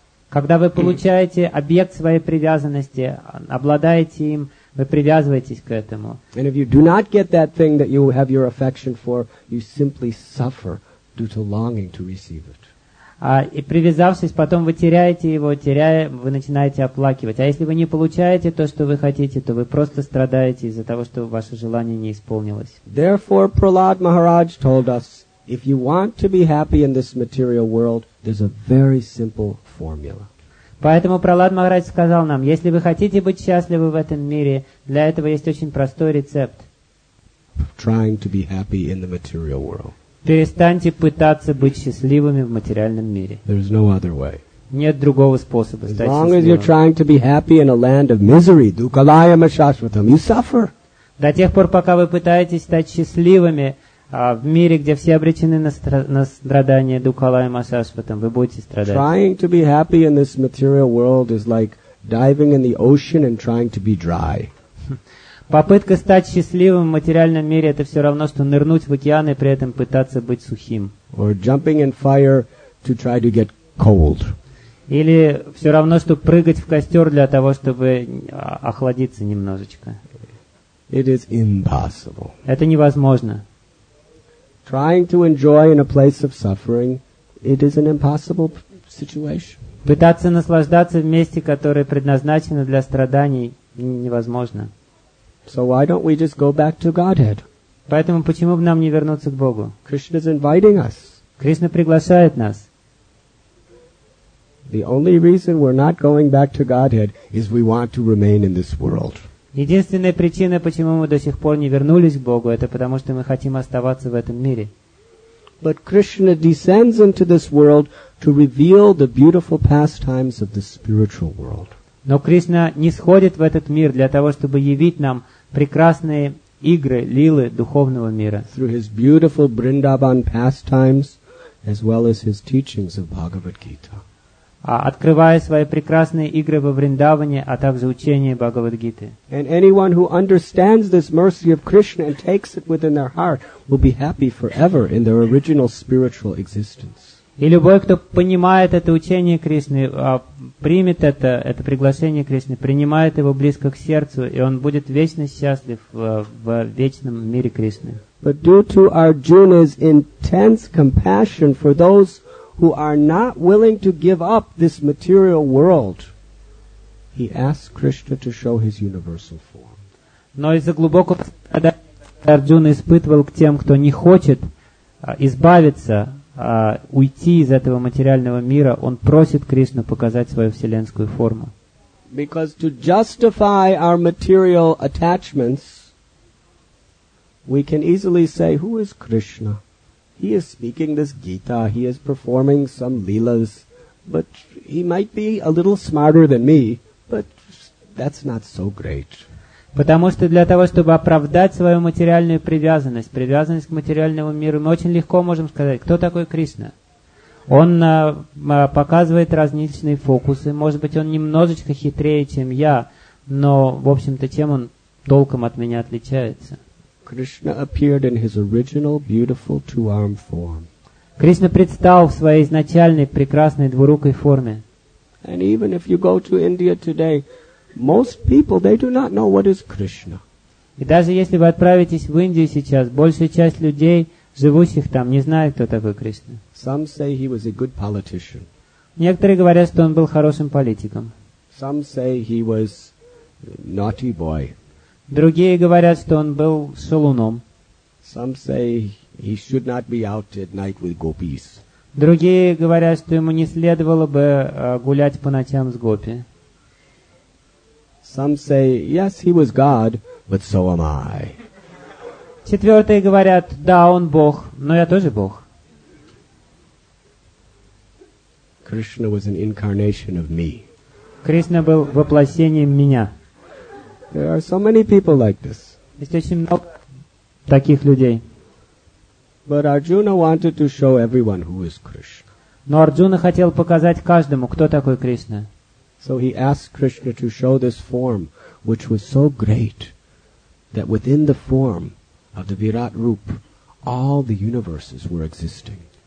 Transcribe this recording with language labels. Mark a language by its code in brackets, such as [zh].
[ru] Когда вы получаете объект своей привязанности, обладаете им, вы привязываетесь к этому. [en] And if you do not get that thing that you have your affection for, you simply suffer due to longing to receive it. [ru] И привязавшись, потом вы теряете его, теряя, вы начинаете оплакивать. А если вы не получаете то, что вы хотите, то вы просто страдаете из-за того, что ваше желание не исполнилось. [en] Therefore, Prahlad Maharaj told us, if you want to be happy in this material world, there's a very simple formula. [ru] Поэтому Прохлад Махарадж сказал нам, если вы хотите быть счастливы в этом мире, для этого есть очень простой рецепт. [en] Trying to be happy in the material world. [ru] Перестаньте пытаться быть счастливыми в материальном мире. [en] There's no other way. [ru] Нет другого способа [en] as [ru] стать [en] long [ru] счастливым. [en] As you're trying to be happy in a land of misery, [sa] dukalaya mashashvatam, [en] you suffer. [ru] До тех пор, пока вы пытаетесь стать счастливыми в мире, где все обречены на страдания, [sa] Дукхала и Масашватам, [ru] вы будете страдать. [en] Trying to be happy in this material world is like diving in the ocean and trying to be dry. [ru] Попытка стать счастливым в материальном мире — это все равно, что нырнуть в океан и при этом пытаться быть сухим. [en] Or jumping in fire to try to get cold. [ru] Или все равно, что прыгать в костер для того, чтобы охладиться немножечко. [en] It is impossible. [ru] Это невозможно. [en] Trying to enjoy in a place of suffering, it is an impossible situation. [ru] Пытаться наслаждаться в месте, которое предназначено для страданий, невозможно. [en] So why don't we just go back to Godhead? [ru] Поэтому почему бы нам не вернуться к Богу? [en] Krishna is inviting us. [ru] Кришна приглашает нас. [en] The only reason we're not going back to Godhead is we want to remain in this world. [ru] Единственная причина, почему мы до сих пор не вернулись к Богу, это потому, что мы хотим оставаться в этом мире. [en] But Krishna descends into this world to reveal the beautiful pastimes of the spiritual world. [ru] Но Кришна нисходит в этот мир для того, чтобы явить нам прекрасные игры, лилы духовного мира. [en] Through his beautiful Vrindavan pastimes, as well as his teachings of Bhagavad Gita. [ru] Открывая свои прекрасные игры во Вриндаване, а также учение Бхагавад-гиты. [en] And anyone who understands this mercy of Krishna and takes it within their heart will be happy forever in their original spiritual existence. [ru] И любой, кто понимает это учение Кришны, примет это приглашение Кришны, принимает его близко к сердцу, и он будет вечно счастлив в вечном мире Кришны. [en] But due to Arjuna's intense compassion for those who are not willing to give up this material world, he asks Krishna to show his universal form. [ru] Но из-за глубокого страдания Арджуна испытывал к тем, кто не хочет избавиться, уйти из этого материального мира, он просит Кришну показать свою вселенскую форму. [en] Because to justify our material attachments, we can easily say, who is Krishna? He is speaking this Gita, he is performing some leelas, but he might be a little smarter than me, but that's not so great. [ru] Потому что для того, чтобы оправдать свою материальную привязанность, привязанность к материальному миру, мы очень легко можем сказать, кто такой Кришна. Он показывает различные фокусы, может быть, он немножечко хитрее, чем я, но, в общем-то, чем он толком от меня отличается? [en] Krishna appeared in his original beautiful two-armed form. [ru] Кришна предстал в своей изначальной прекрасной двурукой форме. [en] And even if you go to India today, most people, they do not know what is Krishna. [ru] И даже если вы отправитесь в Индию сейчас, большая часть людей, живущих там, не знает, кто такой Кришна. [en] Some say he was a good politician. [ru] Некоторые говорят, что он был хорошим политиком. [en] Some say he was a naughty boy. [ru] Другие говорят, что он был шалуном. [en] Some say he should not be out at night with gopis. [ru] Другие говорят, что ему не следовало бы гулять по ночам с гопи. [en] Some say, yes, he was God, but so am I. [ru] Четвертые говорят, да, он Бог, но я тоже Бог. [en] Krishna was an incarnation of me. [ru] Кришна был воплощением меня. [en] There are so many people like this. [ru] Есть очень много таких людей. [en] But Arjuna wanted to show everyone who is Krishna. [ru] Но Арджуна хотел показать каждому, кто такой Кришна. [en] So he asked Krishna to show this form, which was so great that within the form of the Virat Roop, all the universes were existing.